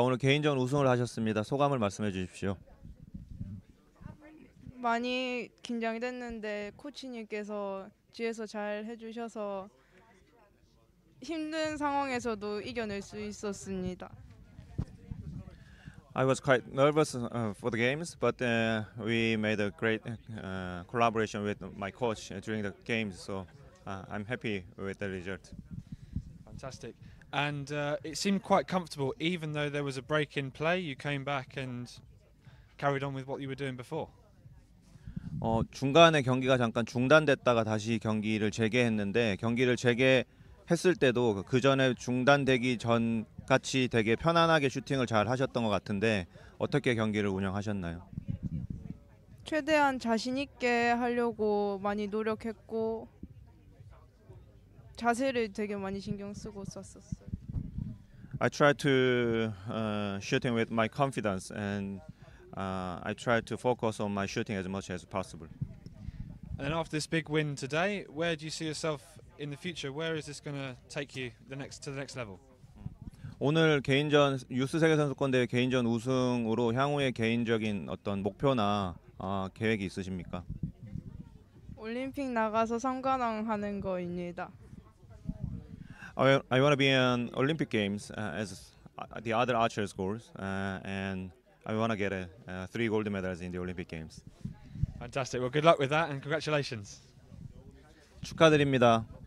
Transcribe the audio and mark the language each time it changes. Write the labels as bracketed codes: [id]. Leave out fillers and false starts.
[ko] 오늘 개인전 우승을 하셨습니다. 소감을 말씀해 주십시오. 많이 긴장이 됐는데 코치님께서 뒤에서 잘 해주셔서 힘든 상황에서도 이겨낼 수 있었습니다. [en] I was quite nervous for the games, but we made a great collaboration with my coach during the games, so. I'm happy with the result. Fantastic. And it seemed quite comfortable, even though there was a break in play, you came back and carried on with what you were doing before. [ko] 중간에 경기가 잠깐 중단됐다가 다시 경기를 재개했는데 경기를 재개했을 때도 그 전에 중단되기 전 같이 되게 편안하게 슈팅을 잘 하셨던 것 같은데 어떻게 경기를 운영하셨나요? 최대한 자신 있게 하려고 많이 노력했고 자세를 되게 많이 신경 쓰고 썼었어요. [en] I try to shooting with my confidence and I try to focus on my shooting as much as possible. And then after this big win today, where do you see yourself in the future? Where is this going to take you to the next level? [ko] 오늘 개인전 유스 세계 선수권 대회 개인전 우승으로 향후의 개인적인 어떤 목표나 계획이 있으십니까? 올림픽 나가서 3관왕 하는 거입니다. [en] I want to be in Olympic Games as the other archers goals, and I want to get three gold medals in the Olympic Games. Fantastic. Well, good luck with that, and congratulations. [ko] 축하드립니다.